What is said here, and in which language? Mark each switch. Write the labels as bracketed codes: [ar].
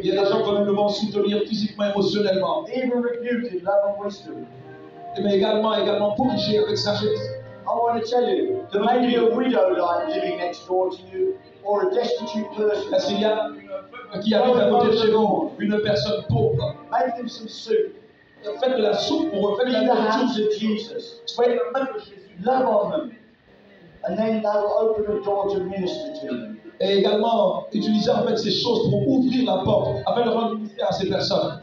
[fr] Il y a des gens que nous devons soutenir physiquement, émotionnellement. [en] Even rebuke in love and wisdom. [fr] Mais également pour corriger avec sagesse. [en] I want to tell you, there may be a widow living next door to you, or a destitute person. [fr] Est-ce qu'il y a qui habite à côté de chez vous, une personne pauvre? [en] Make them some soup. [fr] Faites de la soupe pour eux. [en] Be the hands of Jesus. Love on them. And then that will open a door to minister to them. [fr] Et également, utiliser en fait ces choses pour ouvrir la porte, afin de rendre visite à ces personnes.